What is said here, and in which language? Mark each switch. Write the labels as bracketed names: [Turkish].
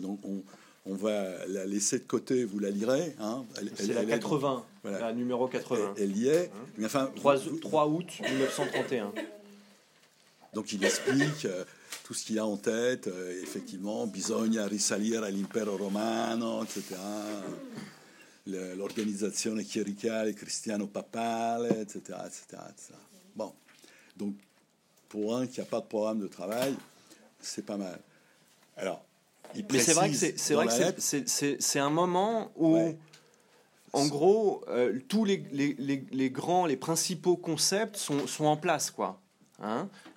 [French] Donc on va la laisser de côté, vous la lirez. Hein, c'est la 80, est, voilà, la numéro 80. Elle y est. Hein, enfin, 3 août 1931. Donc il explique tout ce qu'il a en tête. [Italian] Effectivement, bisogna risalire all'impero romano, etc. L'organizzazione chiericale cristiano-papale, etc., etc., etc. [French] Bon, donc pour un qui n'a pas de programme de travail, c'est pas mal. Alors, il précise. Mais c'est vrai que c'est un moment où, ouais, en gros, tous les grands, les principaux concepts sont en place, quoi. Hein?